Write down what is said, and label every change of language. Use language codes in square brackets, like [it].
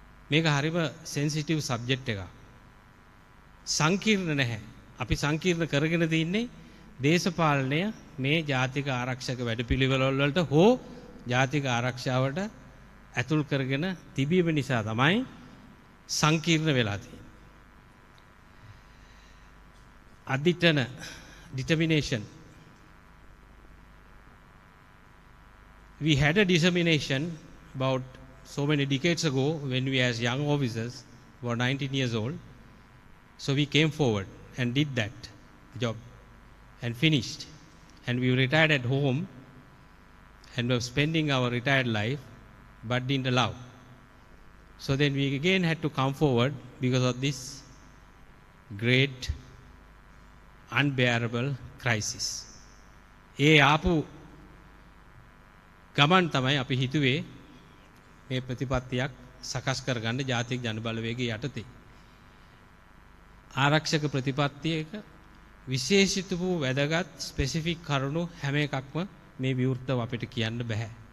[si] මේක හරිම sensitive subject එකක්, සංකීර්ණ නැහැ. අපි සංකීර්ණ කරගෙන තින්නේ දේශපාලනය මේ ජාතික ආරක්ෂක වැඩපිළිවෙළවලට හෝ ජාතික ආරක්ෂාවට ඇතුල් කරගෙන තිබීම නිසා තමයි සංකීර්ණ වෙලා තියෙන්නේ. අදිටන ඩිටර්මිනේෂන්, [en] we had a determination about so many decades ago when we as young officers were 19 years old, so we came forward and did that job and finished, and we retired at home and were spending our retired life but didn't allow, so then we again had to come forward because of this great unbearable crisis. [si] ඒ ආපු ගමන් තමයි අපි හිතුවේ මේ ප්‍රතිපත්තියක් සකස් කරගන්න ජාතික ජනබලවේගයේ යටතේ. ආරක්ෂක ප්‍රතිපත්තියක විශේෂිත වූ වැදගත් ස්පෙසිෆික් කරුණු හැම එකක්ම මේ විවෘතව අපිට කියන්න බෑ.